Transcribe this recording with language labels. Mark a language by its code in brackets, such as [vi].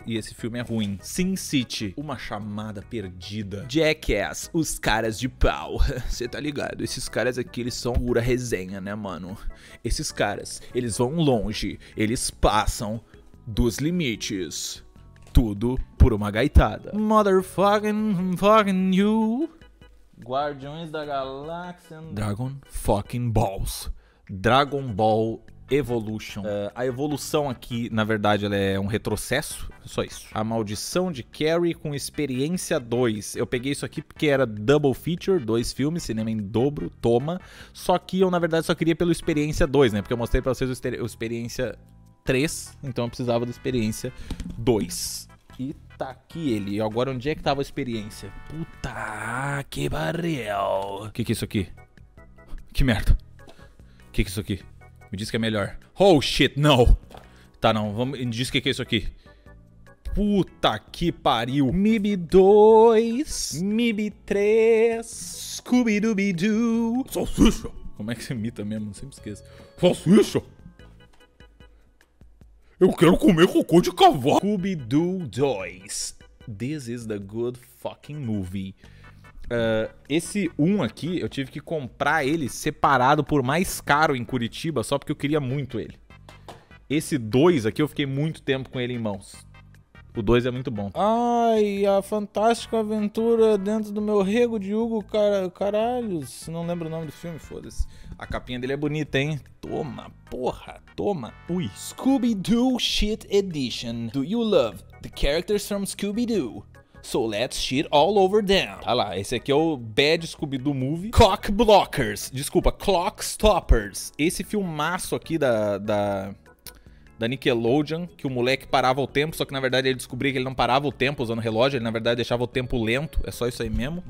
[pt] E esse filme é ruim. Sin City. Uma Chamada Perdida. Jackass. Os Caras de Pau. Você tá ligado? Esses caras aqui, eles são pura resenha, né, mano? Esses caras, eles vão longe. Eles passam dos limites. Tudo por uma gaitada. [en] Motherfucking fucking you. [pt] Guardiões da Galáxia. Dragon fucking Balls. Dragon Ball Evolution. A evolução aqui, na verdade, ela é um retrocesso. Só isso. A Maldição de Carrie com Experiência 2. Eu peguei isso aqui porque era double feature, dois filmes, cinema em dobro, toma. Só que eu, na verdade, só queria pelo Experiência 2, né? Porque eu mostrei pra vocês o Experiência 3, então eu precisava do Experiência 2. E tá aqui ele. E agora, onde é que tava a Experiência? Puta que barril. Que é isso aqui? Que merda. Que é isso aqui? Me diz que é melhor. [en] Oh, shit, [pt] não. Tá, não. Me diz que é isso aqui. Puta que pariu. MIB 2. MIB 3. Scooby-Dooby-Doo. Salsicha. Como é que você imita mesmo? Eu sempre esqueço. Salsicha. Eu quero comer cocô de cavalo. Scooby-Doo 2. [en] This is the good fucking movie. [pt] Esse 1 aqui, eu tive que comprar ele separado por mais caro em Curitiba, só porque eu queria muito ele. Esse 2 aqui, eu fiquei muito tempo com ele em mãos. O 2 é muito bom. Ai, a fantástica aventura dentro do meu rego de Hugo, caralhos. Não lembro o nome do filme, foda-se. A capinha dele é bonita, hein? Toma, porra, toma. Ui. Scooby-Doo Shit Edition. [en] Do you love the characters from Scooby-Doo? So let's shit all over them. [pt] Tá lá, esse aqui é o Bad Scooby-Doo Movie. Cock Blockers. Desculpa, Clock Stoppers. Esse filmaço aqui da Nickelodeon, que o moleque parava o tempo, só que na verdade ele descobria que ele não parava o tempo usando relógio, ele na verdade deixava o tempo lento, é só isso aí mesmo.